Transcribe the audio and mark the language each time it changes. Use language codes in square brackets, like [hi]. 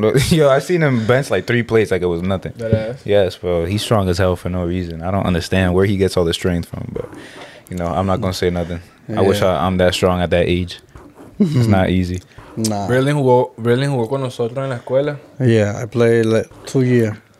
[en] Yo, I seen him bench like 3 plates like it was nothing. Deadass. Yes, bro. He's strong as hell for no reason. I don't understand where he gets all the strength from, but, you know, I'm not going to say nothing. Yeah. I wish I'm that strong at that age. It's not easy. Nah. [es] Braylon jugó con nosotros en la escuela. [en] Yeah, I played like 2 years.